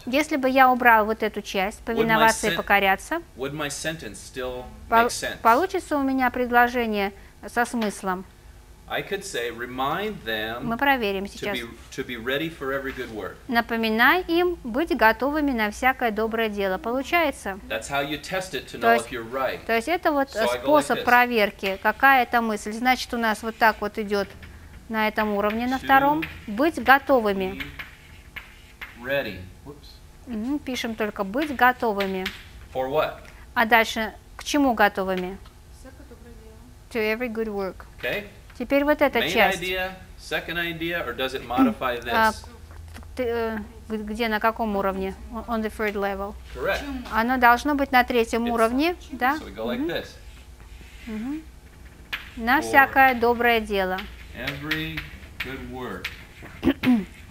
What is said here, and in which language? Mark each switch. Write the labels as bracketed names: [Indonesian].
[Russian] если бы я убрал вот эту часть, повиноваться и покоряться, [English] would my sentence still make sense? [Russian] Получится у меня предложение со смыслом? [English] I could say, remind them [Russian] мы проверим сейчас. [English] To be ready for every good work. [Russian] Напоминай им быть готовыми на всякое доброе дело. Получается? [English] That's how you test it to know if you're right. [Russian] То есть это вот способ проверки, какая это мысль. Значит, у нас вот так вот идет на этом уровне, на втором. Быть готовыми. [English] Ready. [Russian] Пишем только быть готовыми. [English] For what? [Russian] А дальше, к чему готовыми? Всякое доброе дело. [English] To every good work. Okay. [Russian] Теперь вот эта [English] main [Russian] часть. [English] Idea, second idea, or does it modify this? [Russian] Где, на каком уровне? [English] On the third level. Correct. [Russian] Оно должно быть на третьем уровне, да? [English] So we go like this. [Russian] На всякое доброе дело. [English] Every good work.